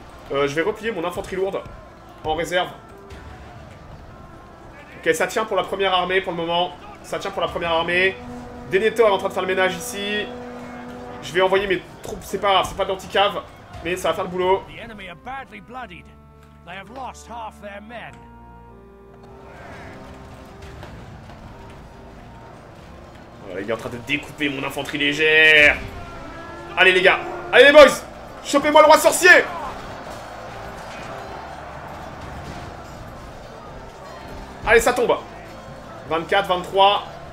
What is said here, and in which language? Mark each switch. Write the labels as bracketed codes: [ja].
[fr] Je vais replier mon infanterie lourde en réserve. Ok, ça tient pour la première armée pour le moment. Ça tient pour la première armée. Denethor est en train de faire le ménage ici. Je vais envoyer mes troupes. C'est pas d'anticave, mais ça va faire le boulot. [en] The enemy are badly bloodied. They have lost half their men. [fr] Voilà, il est en train de découper mon infanterie légère. Allez les gars, allez les boys, chopez-moi le roi sorcier. Allez, ça tombe. 24, 23.